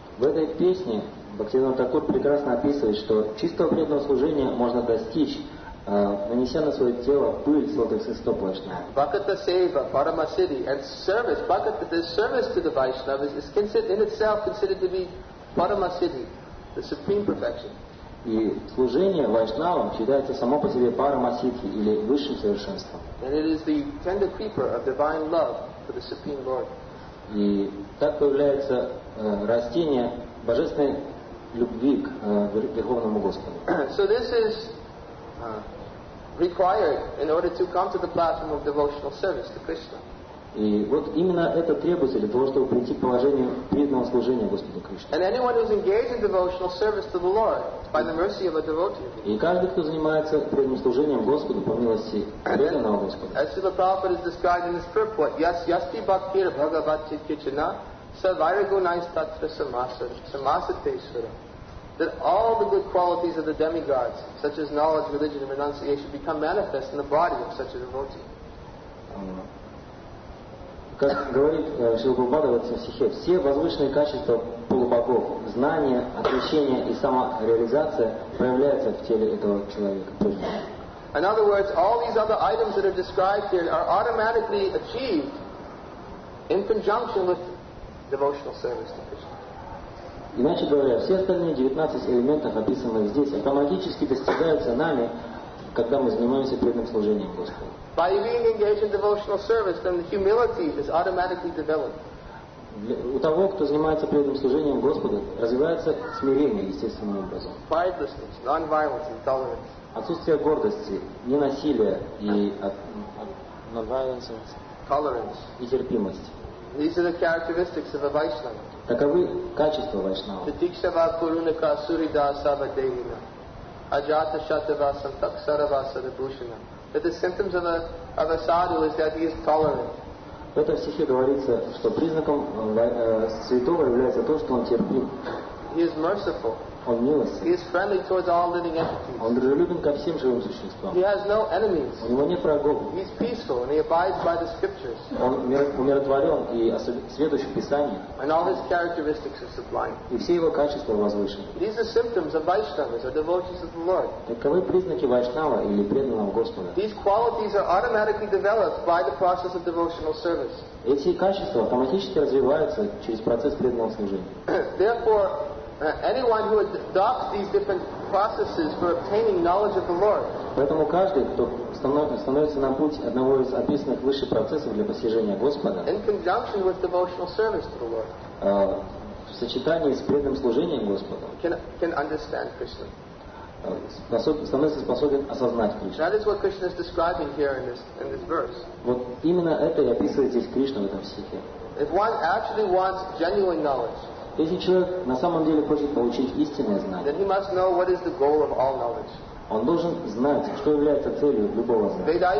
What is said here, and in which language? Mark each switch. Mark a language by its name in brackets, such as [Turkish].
[Russian] В этой песне Бхактивинода Тхакур прекрасно описывает, что чистого преданного служения можно достичь, нанеся на свое тело пыль с лотосных стоп Вайшнавы. [English] Bhakata seva, parama siddhi, and service, bhakata, the service to the Vaishnavas is considered in itself considered to be parama siddhi, the supreme perfection. [Russian] И служение Вайшнавам считается само по себе парама сиддхи или высшим совершенством. [English] And it is the tender creeper of divine love for the supreme Lord. [Russian] И так появляется растение божественной любви к Верховному Господу. [English] So this is required in order to come to the platform of devotional service to Krishna. [Russian] И вот именно это требуется для того, чтобы прийти к положению преданного служения Господу Кришне. [English] And anyone who is engaged in devotional service to the Lord by the mercy of a devotee. [Russian] И каждый, кто занимается преданным служением Господу по милости преданного Господа. [English] As Srila Prabhupada is described in this purport, [Sanskrit] yas yasti bhaktir bhagavati kichana sa vairagunais tatra samasateshvara. [English] That all the good qualities of the demigods, such as knowledge, religion, and renunciation, become manifest in the body of such a devotee. [Russian] Как говорит Шрила Прабхупада в этом стихе, все возвышенные качества полубогов, знание, отречение и самореализация проявляются в теле этого человека. [English] In other words, all these other items that are described here are automatically achieved in conjunction with devotional service to Krishna. [Russian] Иначе говоря, все остальные 19 элементов, описанных здесь, автоматически достигаются нами, когда мы занимаемся преданным служением Господу. [English] By being engaged in devotional service, then the humility is automatically developed. [Russian] У того, кто занимается преданным служением Господу, развивается смирение естественным образом. [English] Pridelessness, non-violence, intolerance. [Russian] Отсутствие гордости, ненасилие и [English] non-violence, tolerance. [Russian] И терпимость. [English] These are the characteristics of a Vaishnava. [Russian] Таковы качества Вайшнава. The Dikshava Purunaka Surida Asava Devina Ajata Shatava Santaksarava Sadabhushana. [English] That the symptoms of a sadhu is that he is tolerant. [Russian] В этом стихе говорится, что признаком святого является то, что он терпим. [English] He is merciful. [Russian] Он милостив. [English] He is friendly towards all living entities. [Russian] Он дружелюбен ко всем живым существам. [English] He has no enemies. [Russian] У него нет врагов. [English] He is peaceful and he abides by the scriptures. [Russian] Он умиротворен и следующ в Писании. [English] And all his characteristics are sublime. [Russian] И все его качества возвышены. [English] These are symptoms of Vaishnavas, or devotees of the Lord. [Russian] Таковы признаки Вайшнава или преданного Господа. [English] These qualities are automatically developed by the process of devotional service. [Russian] Эти качества автоматически развиваются через процесс преданного служения. [English] Therefore, anyone who adopts these different processes for obtaining knowledge of the Lord. [Russian] Поэтому каждый, кто становится на путь одного из описанных выше процессов для постижения Господа. [English] In conjunction with devotional service to the Lord. [Russian] В сочетании с преданным служением Господу. [English] Can understand Krishna. [Russian] Становится способен осознать Кришну. [English] That is what Krishna is describing here in this verse. [Russian] Вот именно это и описывает здесь Кришна в этом стихе. [English] If one actually wants genuine knowledge. [Russian] Если человек на самом деле хочет получить истинное знание, [English] then he must know what is the goal of all knowledge. [Russian] Он должен знать, что является целью любого знания.